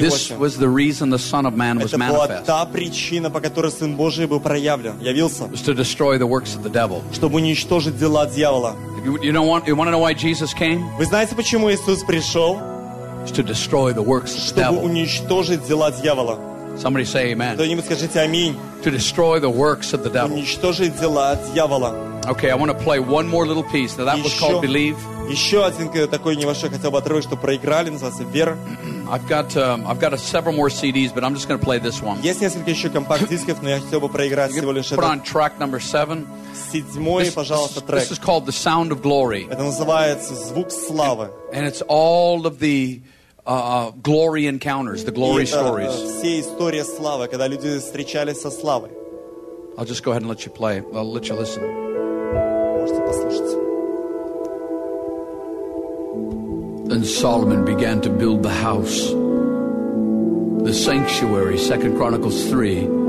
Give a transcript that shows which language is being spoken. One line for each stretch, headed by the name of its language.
English: This was the reason the Son of Man was manifest.
Russian: Это была та причина, по которой Сын Божий был проявлен, явился.
English: Was to destroy the works of the devil.
Russian: Чтобы уничтожить дела дьявола.
English: You want to know why Jesus came?
Russian: Вы знаете, почему Иисус пришел?
English: To destroy the works of the devil.
Russian: Чтобы уничтожить дела дьявола.
English: Somebody say amen.
Russian: Кто-нибудь скажите аминь.
English: To destroy the works of the devil.
Russian: Уничтожить дела дьявола.
English: Okay, I want to play one more little piece. Now that was called Believe.
Russian: Еще один такой небольшой хотел бы отрывок, что проиграли, называется Вера.
English: I've got several more CDs, but I'm just going to play this one.
Russian: Есть несколько еще компакт дисков, но я хотел бы проиграть всего лишь этот.
English: Put on track number 7.
Russian: Седьмой, пожалуйста, трек.
English: This is called The Sound of Glory.
Russian: Это называется Звук славы.
English: And it's all of the glory encounters, the glory stories.
Russian: Все истории славы, когда люди встречались со славой.
English: I'll just go ahead and let you play. I'll let you listen. And Solomon began to build the house, the sanctuary, 2 Chronicles 3.